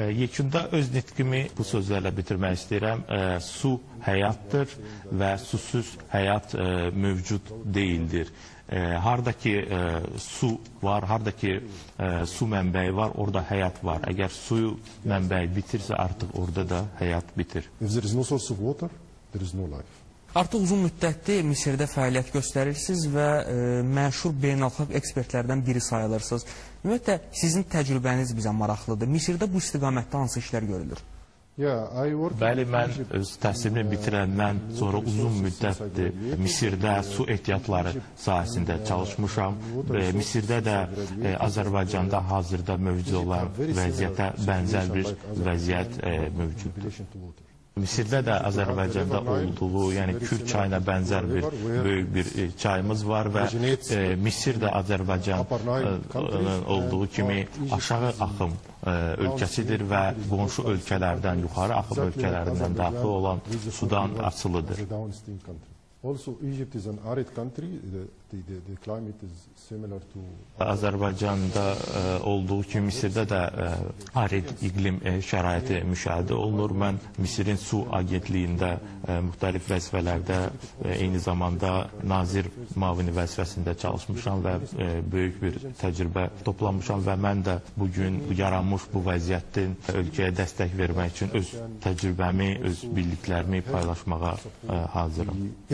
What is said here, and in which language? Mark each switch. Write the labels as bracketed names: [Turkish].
[Azerbaijani] yekunda öz nitqimi bu sözlərlə bitirmək istəyirəm. Su həyatdır və susuz həyat mövcud deyildir. Harda ki su var, harda ki su mənbəyi var, orada həyat var. Əgər suyu mənbəyi bitirsə, artıq orada da həyat bitir. [English] If there is no source of water, there is no life. [Azerbaijani] Artıq uzun müddətdir Misirdə fəaliyyət göstərirsiniz və məşhur beynəlxalq ekspertlərdən biri sayılırsınız. Ümumiyyətlə, sizin təcrübəniz bizə maraqlıdır. Misirdə bu istiqamətdə hansı işlər görülür? Bəli, mən öz təhsilimi bitirəndən sonra uzun müddətdir Misirdə su ehtiyatları sahəsində çalışmışam. Misirdə də Azərbaycanda hazırda mövcud olan vəziyyətə bənzər bir vəziyyət mövcuddur. Misirdə də Azərbaycanda olduğu, yəni Kür çayına bənzər bir böyük bir çayımız var və Misir də Azərbaycanın olduğu kimi aşağı axım ölkəsidir və qonşu ölkələrdən, yuxarı axım ölkələrindən daxil olan sudan asılıdır. [English] Also Egypt is an arid country, the climate is similar to [Azerbaijani] Azərbaycanda olduğu kimi Misirdə də arid iqlim şəraiti müşahidə olunur. Mən Misirin su agentliyində müxtəlif vəzifələrdə eyni zamanda nazir mavini vəzifəsində çalışmışam və böyük bir təcrübə toplamışam və mən də bugün yaranmış bu vəziyyətin ölkəyə dəstək vermək üçün öz təcrübəmi, öz bildiklərimi paylaşmağa hazırım.